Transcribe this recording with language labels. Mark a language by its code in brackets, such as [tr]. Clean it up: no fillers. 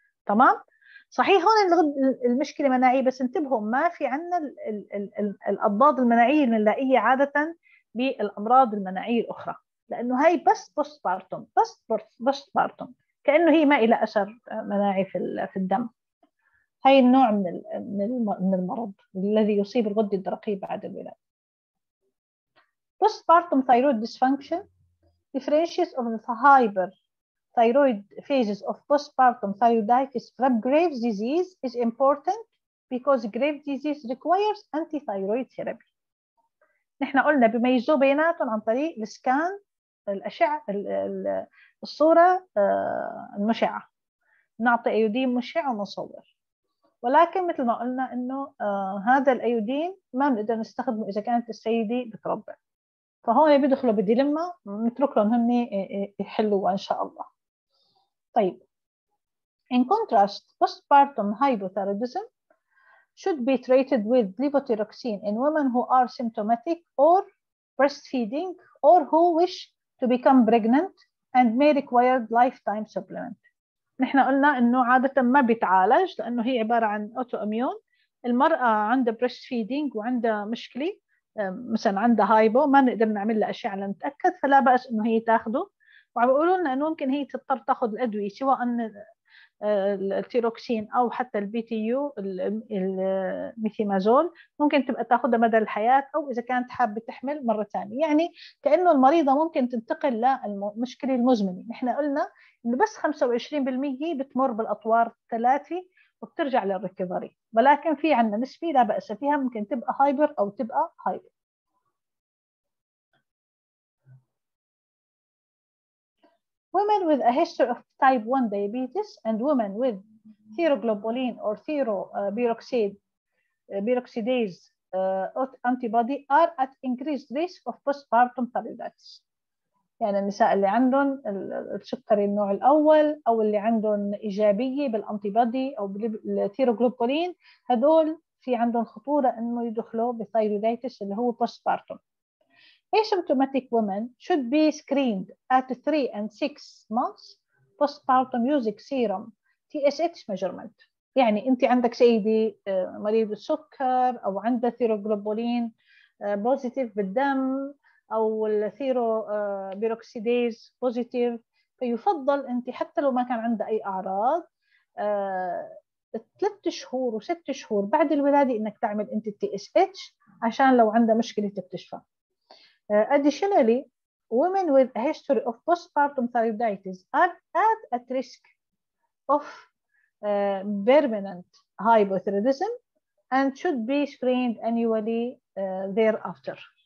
[ar] تمام؟ صحيح هون المشكلة مناعية، بس انتبهوا ما في عنا الأضداد المناعية اللي نلاقيها عادة بالأمراض المناعية الأخرى، لأنه هاي بس بوستبارتوم، بس بوستبارتوم، كأنه هي ما إلى أثر مناعي في الدم. هاي النوع من المرض الذي يصيب الغدة الدرقية بعد الولادة. [en] postpartum thyroid dysfunction differentiates of the hyper thyroid phases of postpartum thyroiditis from Graves disease is important because Graves disease requires anti-thyroid therapy. [ar] نحن قلنا بميزوا بيناتهم عن طريق السكان الأشعة الصورة المشعة، نعطي أيودين مشع ونصور، ولكن مثل ما قلنا انه هذا الايودين ما بنقدر نستخدمه اذا كانت السيده بتربع، فهون بيدخلوا بديلما، نترك لهم هم يحلوها ان شاء الله. [en] طيب in contrast postpartum hypothyroidism should be treated with levothyroxine in women who are symptomatic or breastfeeding or who wish to become pregnant and may require lifetime supplement. [ar] نحن قلنا انه عاده ما بيتعالج لانه هي عباره عن اوتو اميون. المراه عندها بريست فيدينج وعندها مشكله مثلا عندها هايبو، ما نقدر نعمل لها اشعه لنتاكد، فلا باس انه هي تاخده. وعم بيقولوا لنا انه ممكن هي تضطر تاخذ الادويه سواء التيروكسين او حتى البي تي يو الميثيمازول، ممكن تبقى تاخذها مدى الحياه او اذا كانت حابه تحمل مره ثانيه. يعني كانه المريضه ممكن تنتقل للمشكله المزمنه. نحن قلنا انه بس 25% بتمر بالاطوار الثلاثه وبترجع للريكفري، ولكن في عندنا نسبه لا باس فيها ممكن تبقى هايبر او تبقى هايبر. [en] Women with a history of type 1 diabetes and women with thyroglobulin or thyroperoxidase antibody are at increased risk of postpartum thyroiditis. [ar] يعني النساء اللي عندهم السكري النوع الأول أو اللي عندهم إيجابية بالأنتيبادي أو بالثيروغلوبولين، هذول في عندهم خطورة إنه يدخلوا بثيروديتس اللي هو postpartum. [en] Asymptomatic women should be screened at 3 and 6 months postpartum using serum TSH measurement. [ar] يعني أنت عندك سيدة مريضة سكر أو عندها ثيروغلوبولين positive بالدم أو الثيروبيروكسيديز بوزيتيف، فيفضل أنت حتى لو ما كان عندها أي أعراض 3 شهور و6 شهور بعد الولادة أنك تعمل أنت التي إس إتش عشان لو عندها مشكلة تكتشفها. [en] Additionally, women with a history of postpartum thyroiditis are at risk of permanent hypothyroidism and should be screened annually thereafter.